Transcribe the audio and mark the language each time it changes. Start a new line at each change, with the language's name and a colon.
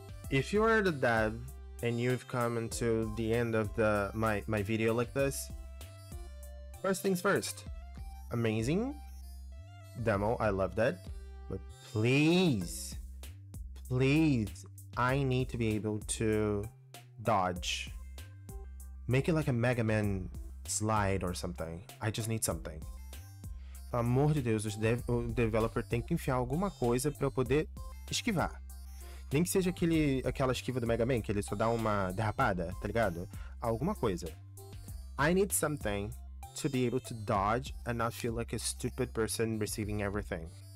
English: If you are the dev and you've come into the end of the my video like this, first things first, amazing demo, I loved it, but please, please, I need to be able to dodge, make it like a Mega Man slide or something, I just need something.
Portuguese: Pelo amor de Deus, o developer tem que enfiar alguma coisa pra eu poder esquivar, nem que seja aquela esquiva do Mega Man, que ele só dá uma derrapada, tá ligado? Alguma coisa.
English: I need something to be able to dodge and not feel like a stupid person receiving everything.